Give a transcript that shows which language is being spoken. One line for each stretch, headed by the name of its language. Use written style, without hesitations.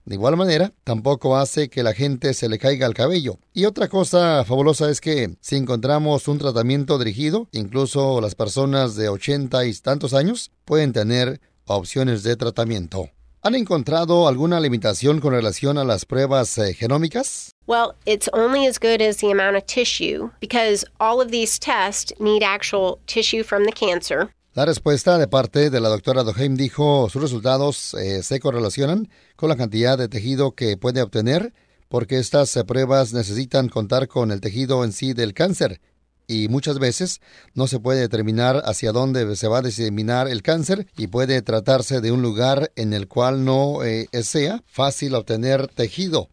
Spanish: De igual manera, tampoco hace que la gente se le caiga el cabello. Y otra cosa fabulosa es que si encontramos un tratamiento dirigido, incluso las personas de 80 y tantos años pueden tener opciones de tratamiento. ¿Han encontrado alguna limitación con relación a las pruebas genómicas?
English: Well, it's only as good as the amount of tissue, because all of these tests need actual tissue from the cancer.
Spanish: La respuesta de parte de la doctora Duhaime dijo, sus resultados se correlacionan con la cantidad de tejido que puede obtener, porque estas pruebas necesitan contar con el tejido en sí del cáncer, y muchas veces no se puede determinar hacia dónde se va a diseminar el cáncer, y puede tratarse de un lugar en el cual no sea fácil obtener tejido.